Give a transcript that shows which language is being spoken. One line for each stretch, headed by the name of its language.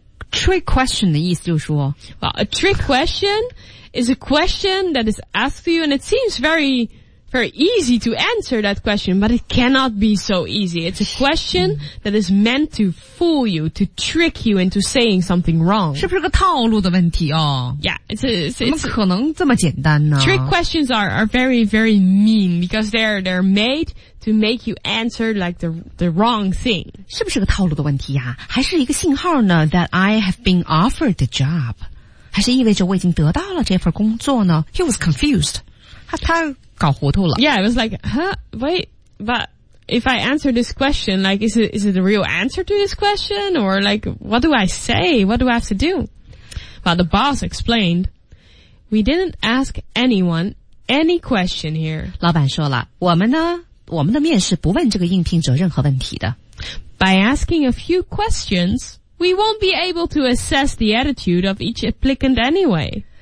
Chinese: Trick question 的意思就是说
English: Well, a trick question is a question that is asked to you and it seems very, very easy to answer that question, but it cannot be so easy. It's a question that is meant to fool you, to trick you into saying something wrong.
Chinese: 是不是个套路的问题哦?
English: Yeah, it's
Chinese: 怎么可能这么简单呢?
English: Trick questions are very, very mean because they're made to make you answer like the wrong thing.
Chinese: 是不是个套路的问题啊? 还是一个信号呢?
English: That I have been offered the job.
Chinese: 还是意味着我已经得到了这份工作呢?
English: He was confused.
Chinese: 他搞糊涂了。
English: Yeah, I was like, huh, wait, but if I answer this question, like, is it a real answer to this question? Or like, what do I say? What do I have to do? Well, the boss explained, we didn't ask anyone any question here.
Chinese: 老板说了，我们的面试不问这个应聘者任何问题的。
English: By asking a few questions, we won't be able to assess the attitude of each applicant anyway.